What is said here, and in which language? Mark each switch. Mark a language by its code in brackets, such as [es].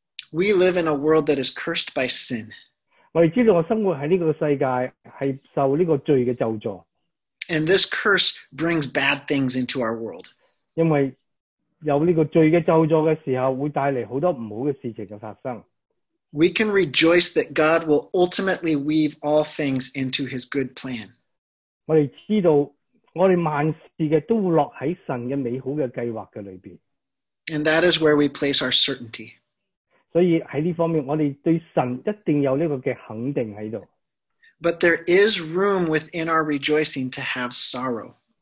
[en] We live in a world that is cursed by sin. [zh] 我们知道我生活在这个世界是受这个罪的咒诅。 [en] And this curse brings bad things into our world. [zh] 因为 有这个罪的咒诅的时候，会带来很多不好的事情的发生。 [en] We can rejoice that God will ultimately weave all things into his good plan. [zh] 我们知道，我们万事的都落在神的美好的计划的里面。 [en] And that is where we place our certainty. [zh] 所以在这方面，我们对神一定有这个肯定在这里。 [en] But there is room within our rejoicing to have sorrow.